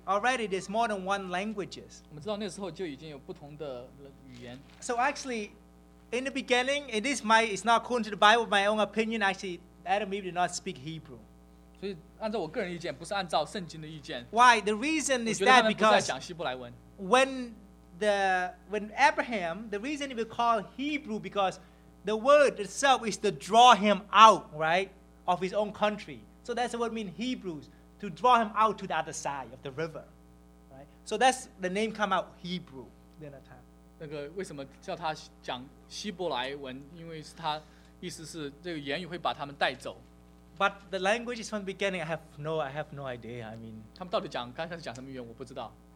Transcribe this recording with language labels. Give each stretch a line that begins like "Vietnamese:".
English: Already there's more than one languages.
Chinese: 我们知道那时候就已经有不同的语言。
English: So actually, in the beginning, it is my, it's not according to the Bible, my own opinion, actually, Adam and Eve did not speak Hebrew.
Chinese: 所以按照我个人意见, 不是按照圣经的意见,
English: why? The reason is that because when Abraham, the reason he was called Hebrew because the word itself is to draw him out, right, of his own country. So that's what means Hebrews, to draw him out to the other side of the river. Right? So that's the name come out, Hebrew, then at time.
Chinese: 那个为什么叫他讲希伯来文, 因为他意思是这个言语会把他们带走。
English: But the language is from the beginning, I have no idea. I mean,
Chinese: 他们到底讲, 刚才讲什么语言, 我不知道。